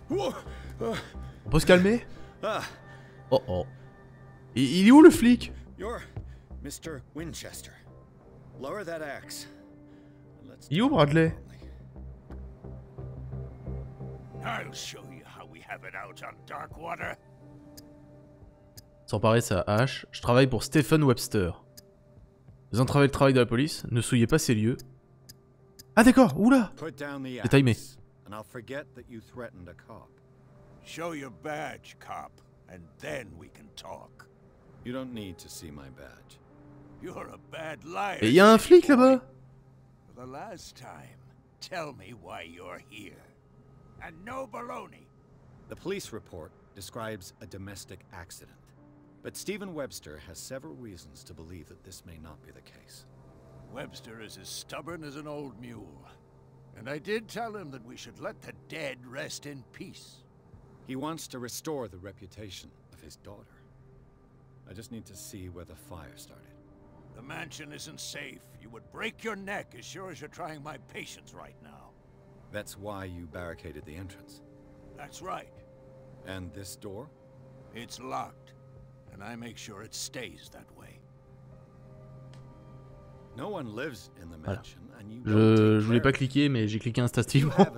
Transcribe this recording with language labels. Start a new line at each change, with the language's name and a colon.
French: On peut se calmer? Oh oh. Il est où le flic?
English: You're Mr. Winchester. Lower that axe. Let's... You, Bradley? I'll show you how we have it out on Darkwater.
French: s'emparer de sa hache. Je travaille pour Stephen Webster. Vous entravez le travail de la police, ne souillez pas ces lieux. Ah d'accord, oula! C'est timé.
English: And I'll forget that you threatened a cop. Show your badge, cop, and then we can talk. You don't need to see my badge. You're a bad liar.
French: Mais il y a un flic là-bas.
English: For the last time, tell me why you're here. And no baloney. The police report describes a domestic accident. But Stephen Webster has several reasons to believe that this may not be the case. Webster is as stubborn as an old mule. And I did tell him that we should let the dead rest in peace. He wants to restore the reputation of his daughter. I just need to see where the fire started. The mansion isn't safe. You would break your neck as sure as you're trying my patience right now. That's why you barricaded the entrance. That's right. And this door? It's locked. And I make sure it stays that way. No one lives in the mansion.
French: Je voulais pas cliquer, mais j'ai cliqué instinctivement.